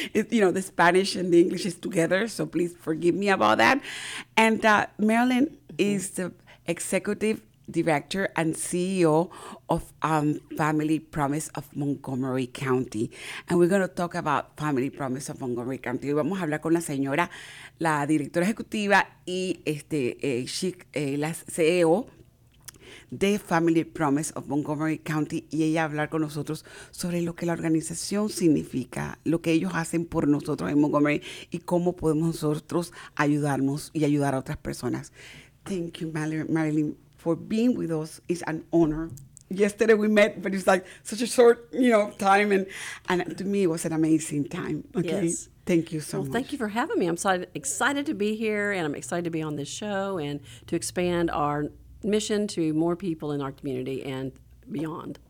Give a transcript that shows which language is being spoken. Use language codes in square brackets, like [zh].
[en] It's, you know, the Spanish and the English is together, so please forgive me about that. And Marilyn is the executive director and CEO of Family Promise of Montgomery County. And we're going to talk about Family Promise of Montgomery County. [es] Hoy vamos a hablar con la señora, la directora ejecutiva y la CEO de Family Promise of Montgomery County, y ella hablar con nosotros sobre lo que la organización significa, lo que ellos hacen por nosotros en Montgomery y cómo podemos nosotros ayudarnos y ayudar a otras personas. [en] Thank you, Marilyn, for being with us. It's an honor. Yesterday we met, but it's like such a short, you know, time, and to me it was an amazing time. Okay. Yes. Thank you so much. Well, thank you for having me. I'm so excited to be here, and I'm excited to be on this show and to expand our mission to more people in our community and beyond.